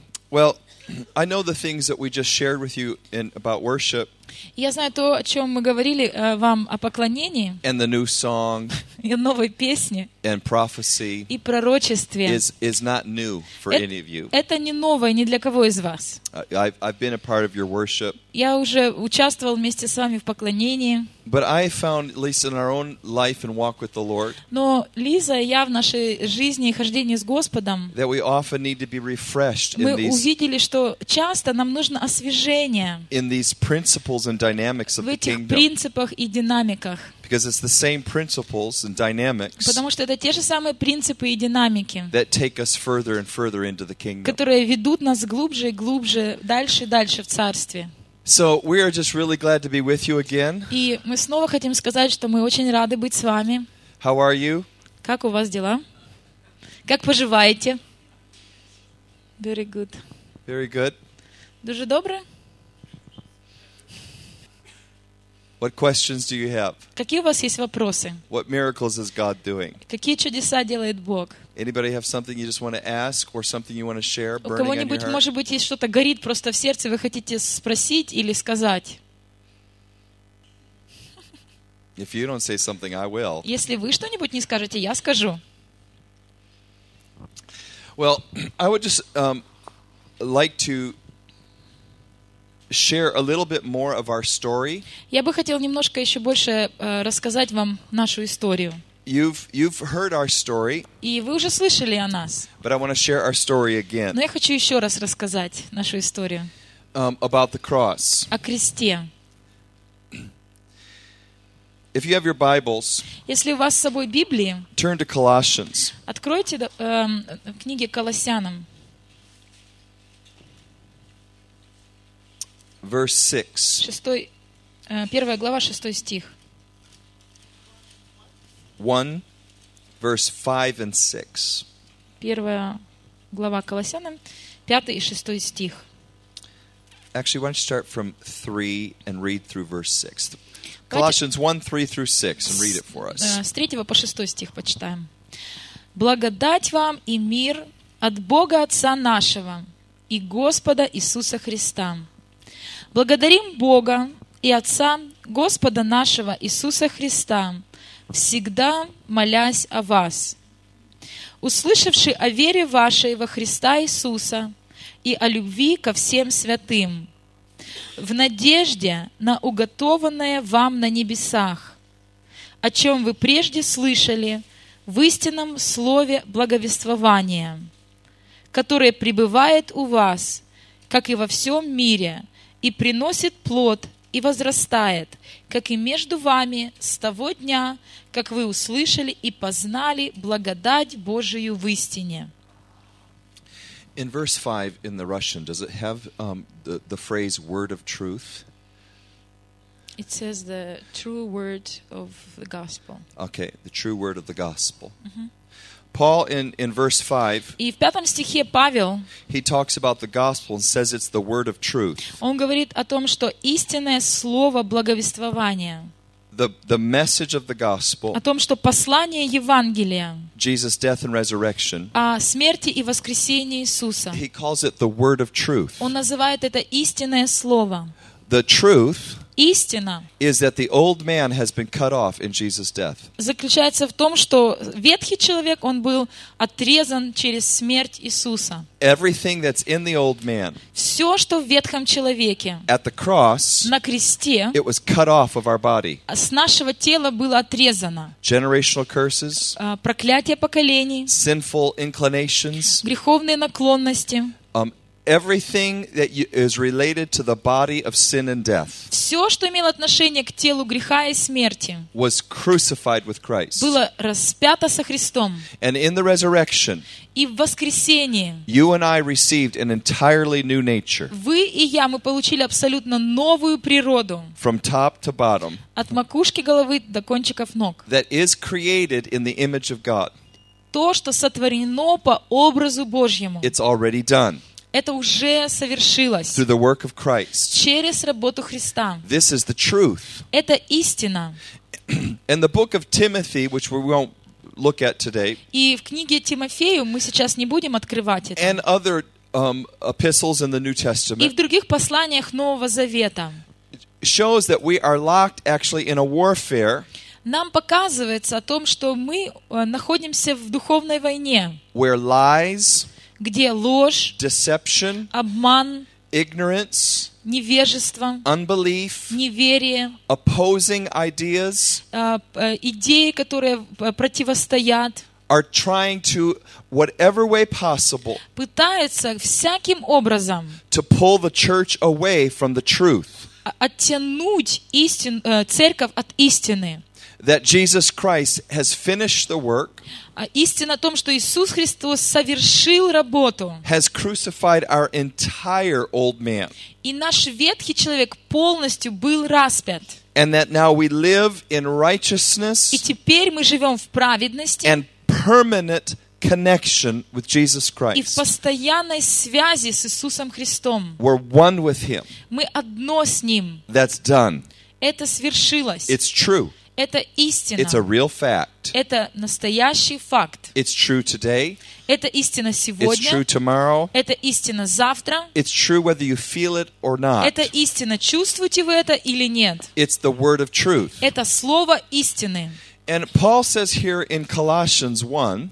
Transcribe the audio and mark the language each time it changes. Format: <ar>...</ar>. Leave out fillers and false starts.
<en>Well, I know the things that we just shared with you in about worship.</en> <ru>Я знаю то, о чём мы говорили вам о поклонении.</ru> <en>And the new song.</en> <ru>И новой песне.</ru> <en>And prophecy.</en> <ru>И пророчестве.</ru> <en>Is not new for any of you.</en> <ru>Это не новое ни для кого из вас.</ru> <en>I've been a part of your worship.</en> <ru>Я уже участвовал вместе с вами в поклонении.</ru> <en>But I found, at least in our own life and walk with the Lord.</en> <ru>Но Лиза и я в нашей жизни и хождении с Господом.</ru> <en>That we often need to be refreshed in these.</en> <ru>Мы увидели, что часто нам нужно освежение.</ru> <en>In these principles and dynamics of the kingdom.</en> <ru>В этих принципах и динамиках.</ru> <en>Because it's the same principles and dynamics.</en> <ru>Потому что это те же самые принципы и динамики.</ru> <en>That take us further and further into the kingdom.</en> <ru>Которые ведут нас глубже и глубже, дальше и дальше в царстве.</ru> <en>So we are just really glad to be with you again.</en> <ru>И мы снова хотим сказать, что мы очень рады быть с вами.</ru> <en>How are you?</en> <ru>Как у вас дела? Как поживаете?</ru> <en>Very good. Very good.</en> <uk>Дуже добре.</uk> <en>What questions do you have?</en> <ru>Какие у вас есть вопросы?</ru> <en>What miracles is God doing?</en> <ru>Какие чудеса делает Бог?</ru> <en>Anybody have something you just want to ask or something you want to share?</en> <ru>У кого-нибудь, может быть, есть что-то горит просто в сердце, вы хотите спросить или сказать?</ru> <en>If you don't say something, I will.</en> <ru>Если вы что-нибудь не скажете, я скажу.</ru> <en>Well, I would just like to share a little bit more of our story.</en> <ru>Я бы хотел немножко ещё больше рассказать вам нашу историю.</ru> <en>You've heard our story.</en> <ru>И вы уже слышали о нас.</ru> <en>But I want to share our story again.</en> <ru>Но я хочу ещё раз рассказать нашу историю.</ru> <en>About the cross.</en> <ru>О кресте.</ru> <en>If you have your Bibles.</en> <ru>Если у вас с собой Библии.</ru> <en>Turn to Colossians.</en> <ru>Откройте книги Колоссянам.</ru> <en>Verse 6.</en> <ru>Первая глава, 6 стих.</ru> <en>1, verse 5 and 6.</en> <ru>Первая глава Колоссянам, 5 и 6 стих.</ru> <en>Actually, why don't you start from 3 and read through verse 6. Colossians 1, 3 through 6, and read it for us.</en> <ru>С 3 по 6 стих почитаем. «Благодать вам и мир от Бога Отца нашего и Господа Иисуса Христа». Благодарим Бога и Отца, Господа нашего Иисуса Христа, всегда молясь о вас, услышавши о вере вашей во Христа Иисуса и о любви ко всем святым, в надежде на уготованное вам на небесах, о чем вы прежде слышали в истинном слове благовествования, которое пребывает у вас, как и во всем мире, и приносит плод, и возрастает, как и между вами с того дня, как вы услышали и познали благодать Божию в истине.</ru> <en>In verse 5 in the Russian, does it have the phrase word of truth? It says the true word of the gospel. Okay, the true word of the gospel. Mm-hmm. Paul in verse 5.</en> <ru>И в пятом стихе Павел.</ru> <en>He talks about the gospel and says it's the word of truth.</en> <ru>Он говорит о том, что истинное слово благовествования.</ru> <en>The message of the gospel.</en> <ru>О том, что послание Евангелия.</ru> <en>Jesus' death and resurrection.</en> <ru>О смерти и воскресении Иисуса.</ru> <en>He calls it the word of truth.</en> <ru>Он называет это истинное слово.</ru> <en>The truth.</en> <ru>Истина</ru> <en>is that the old man has been cut off in Jesus' death.</en> <ru>Заключается в том, что ветхий человек, он был отрезан через смерть Иисуса.</ru> <en>Everything that's in the old man.</en> <ru>Всё, что в ветхом человеке.</ru> <en>At the cross.</en> <ru>На кресте.</ru> <en>It was cut off of our body.</en> <ru>С нашего тела было отрезано.</ru> <en>Generational curses.</en> <ru>Проклятие поколений.</ru> <en>Sinful inclinations.</en> <ru>Греховные наклонности.</ru> <en>Everything that is related to the body of sin and death.</en> <ru>Всё, что имело отношение к телу греха и смерти.</ru> <en>Was crucified with Christ.</en> <ru>Было распято со Христом.</ru> <en>And in the resurrection.</en> <ru>И в воскресении.</ru> <en>You and I received an entirely new nature.</en> <ru>Вы и я мы получили абсолютно новую природу.</ru> <en>From top to bottom.</en> <ru>От макушки головы до кончиков ног.</ru> <en>That is created in the image of God.</en> <ru>То, что сотворено по образу Божьему.</ru> <en>It's already done.</en> <ru>Это уже совершилось.</ru> <en>Through the work of Christ.</en> <ru>Через работу Христа.</ru> <en>This is the truth.</en> <ru>Это истина.</ru> <en>And the book of Timothy, which we won't look at today.</en> <ru>И в книге Тимофею мы сейчас не будем открывать это.</ru> <en>And other epistles in the New Testament.</en> <ru>И в других посланиях Нового Завета.</ru> <en>Shows that we are locked actually in a warfare.</en> <ru>Нам показывается о том, что мы находимся в духовной войне.</ru> <en>Where lies,</en> <ru>где ложь,</ru> <en>deception,</en> <ru>обман,</ru> <en>ignorance,</en> <ru>невежество,</ru> <en>unbelief,</en> <ru>неверие,</ru> <en>opposing ideas,</en> <ru>идеи, которые противостоят,</ru> <en>are trying to, whatever way possible,</en> <ru>пытаются всяким образом</ru> <en>to pull the church away from the truth,</en> <ru>оттянуть церковь от истины.</ru> <en>That Jesus Christ has finished the work.</en> <ru>Истина о том, что Иисус Христос совершил работу.</ru> <en>Has crucified our entire old man.</en> <ru>И наш ветхий человек полностью был распят.</ru> <en>And that now we live in righteousness.</en> <ru>И теперь мы живем в праведности.</ru> <en>And permanent connection with Jesus Christ.</en> <ru>И в постоянной связи с Иисусом Христом.</ru> <en>We're one with Him.</en> <ru>Мы одно с Ним.</ru> <en>That's done.</en> <ru>Это свершилось.</ru> <en>It's true.</en> <ru>Это истина.</ru> <en>It's a real fact.</en> <ru>Это настоящий факт.</ru> <en>It's true today.</en> <ru>Это истина сегодня.</ru> <en>It's true tomorrow.</en> <ru>Это истина завтра.</ru> <en>It's true whether you feel it or not.</en> <ru>Это истина, чувствуете вы это или нет.</ru> <en>It's the word of truth.</en> <ru>Это слово истины.</ru> <en>And Paul says here in Colossians 1.</en>